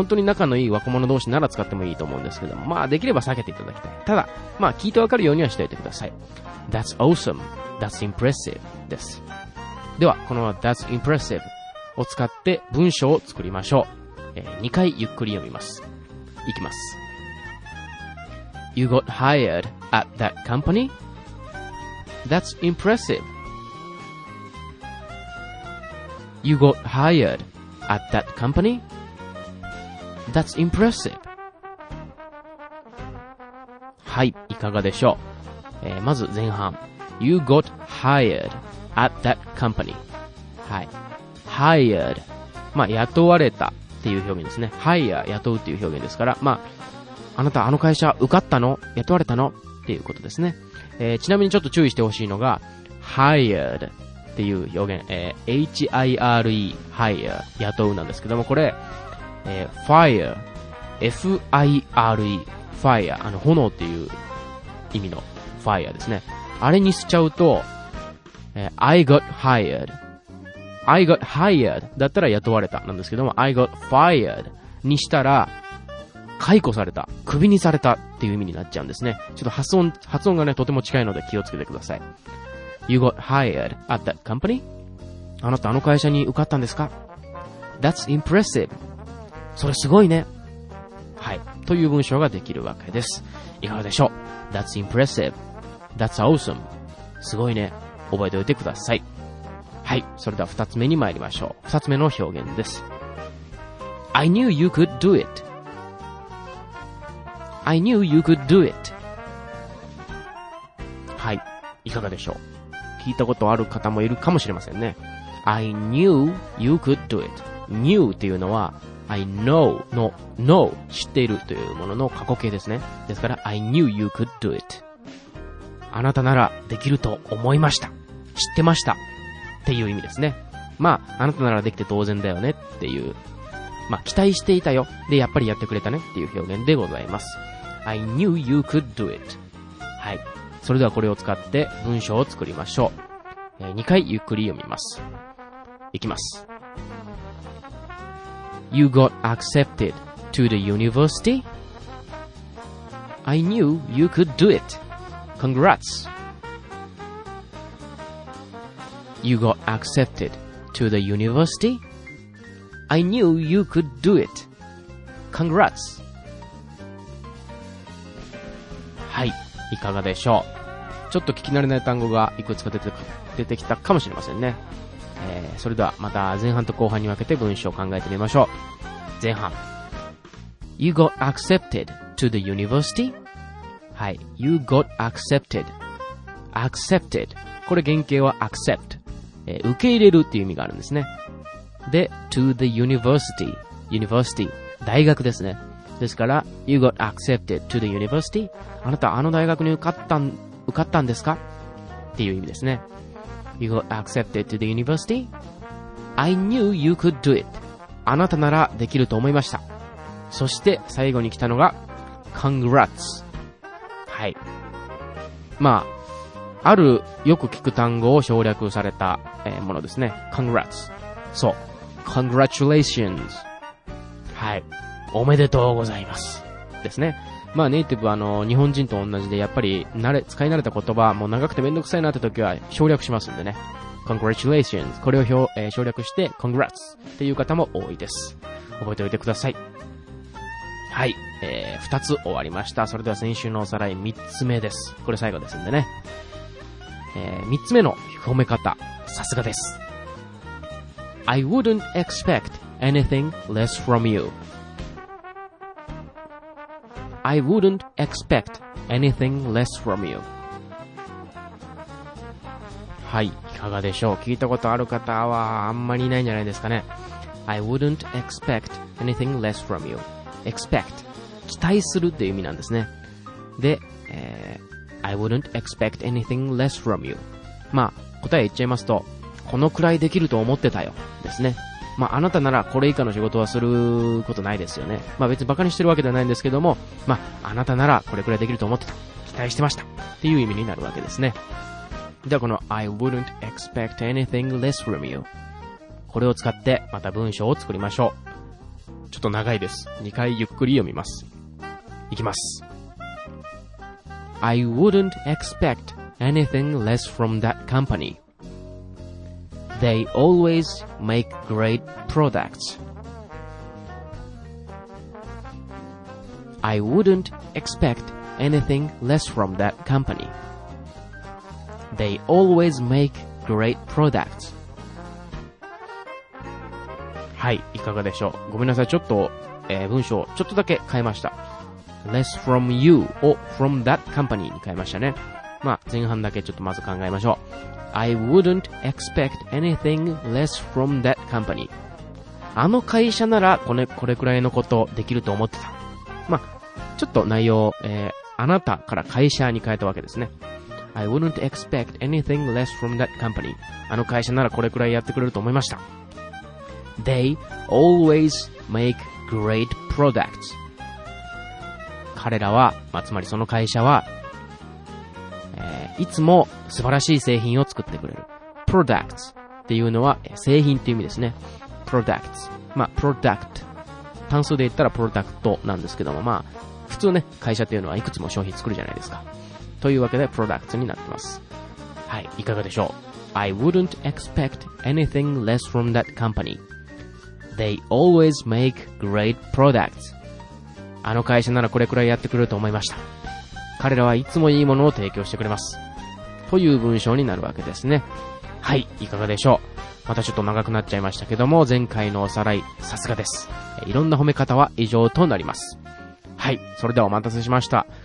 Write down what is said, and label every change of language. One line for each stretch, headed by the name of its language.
Japanese: 本当に仲のいい若者同士なら使ってもいいと思うんですけども、まあ、できれば避けていただきたい。ただ、まあ、聞いてわかるようにはしておいてください。
English: That's awesome. That's impressive. です。
Japanese: では、この
English: That's impressive
Japanese: を使って文章を作りましょう。 2回ゆっくり読みます。いきます。
English: You got hired at that company? That's impressive. You got hired at that company? That's impressive.
Japanese: はい、いかがでしょう。まず前半。
English: You got hired at that company.
Japanese: はい。Hired。まあ、雇われたっていう表現ですね。Hire、雇うっていう表現ですから、まあ、あなた、あの会社、受かったの？雇われたの？っていうことですね。ちなみにちょっと注意してほしいのが、hired っていう表現、h-i-r-e, hire, 雇うなんですけども、これ、fire, f-i-r-e, fire, 炎っていう意味の fire ですね。あれにしちゃうと、
English: I got hired. I got hired
Japanese: だったら雇われたなんですけども、
English: I got fired
Japanese: にしたら、解雇された、クビにされたっていう意味になっちゃうんですね。ちょっと発音がね、とても近いので気をつけてください。
English: You got hired at that company?
Japanese: あなた、あの会社に受かったんですか？
English: That's impressive.
Japanese: それすごいね。はい。という文章ができるわけです。いかがでしょう？
English: That's impressive. That's awesome.
Japanese: すごいね。覚えておいてください。はい。それでは二つ目に参りましょう。二つ目の表現です。
English: I knew you could do it. I knew you could do it.
Japanese: はい、いかがでしょう。聞いたことある方もいるかもしれませんね。
English: I knew you could do it.
Japanese: knew っていうのは、I know の know 知っているというものの過去形ですね。
English: ですから、I knew you could do it.
Japanese: あなたならできると思いました。知ってましたっていう意味ですね。まあ、あなたならできて当然だよねっていう。まあ、期待していたよ。で、やっぱりやってくれたねっていう表現でございます。
English: I knew you could do it.
Japanese: はい。それではこれを使って文章を作りましょう。 2回ゆっくり読みます。いきます。
English: You got accepted to the university? I knew you could do it. Congrats! You got accepted to the university? I knew you could do it. Congrats!
Japanese: はい、いかがでしょう。ちょっと聞き慣れない単語がいくつか出てきたかもしれませんね。それではまた前半と後半に分けて文章を考えてみましょう。前半。
English: You got accepted to the university? はい。You got accepted. Accepted.
Japanese: これ原型は accept。受け入れるっていう意味があるんですね。
English: で、to the university。
Japanese: University。 大学ですね。
English: ですから、You got accepted to the university?
Japanese: あなた、あの大学に受かったんですか? っていう意味ですね。
English: You got accepted to the university? I knew you could do it.
Japanese: あなたならできると思いました。そして最後に来たのが Congrats。はい、まあ、あるよく聞く単語を省略されたものですね。Congrats。そう、 Congratulations。はい、おめでとうございますですね。まあ、ネイティブは日本人と同じで、やっぱり使い慣れた言葉もう長くてめんどくさいなって時は省略しますんでね。 Congratulations、 これを省略して Congrats っていう方も多いです。覚えておいてください。はい、2つ終わりました。それでは先週のおさらい3つ目です。これ最後ですんでね。 3つ目の褒め方、さすがです。
English: I wouldn't expect anything less from youI wouldn't expect anything less from you.
Japanese: はい、いかがでしょう。聞いたことある方はあんまりいないんじゃないですかね。
English: I wouldn't expect anything less from you.
Japanese: Expect、 期待するっていう意味なんですね。
English: で、I wouldn't expect anything less from you.
Japanese: まあ、答え言っちゃいますと、このくらいできると思ってたよですね。まあ、あなたならこれ以下の仕事はすることないですよね。まあ、別にバカにしてるわけではないんですけども、まあ、あなたならこれくらいできると思ってた、期待してましたっていう意味になるわけですね。ではこの
English: I wouldn't expect anything less from you、
Japanese: これを使ってまた文章を作りましょう。ちょっと長いです。2回ゆっくり読みます。いきます。
English: I wouldn't expect anything less from that companyThey always make great products. I wouldn't expect anything less from that company. They always make great products.
Japanese: はい、いかがでしょう。ごめんなさい、ちょっと、文章ちょっとだけ変えました。
English: Less from you
Japanese: を
English: from that company
Japanese: に変えましたね。まあ、前半だけちょっとまず考えましょう。
English: I wouldn't expect anything less from that company.
Japanese: あの会社ならこれくらいのことできると思ってた。まあ、ちょっと内容、あなたから会社に変えたわけですね。
English: I wouldn't expect anything less from that company.
Japanese: あの会社ならこれくらいやってくれると思いました。
English: They always make great products.
Japanese: 彼らは、まあ、つまりその会社は、いつも素晴らしい製品を作ってくれる。 product っていうのは製品っていう意味ですね。product、 まあ product、 単数で言ったら product なんですけども、まあ普通ね、会社っていうのはいくつも商品作るじゃないですか。というわけで product になってます。はい、いかがでしょう。
English: I wouldn't expect anything less from that company. They always make great products.
Japanese: あの会社ならこれくらいやってくれると思いました。彼らはいつもいいものを提供してくれますという文章になるわけですね。はい、いかがでしょう。またちょっと長くなっちゃいましたけども、前回のおさらい、さすがです。いろんな褒め方は以上となります。はい、それではお待たせしました。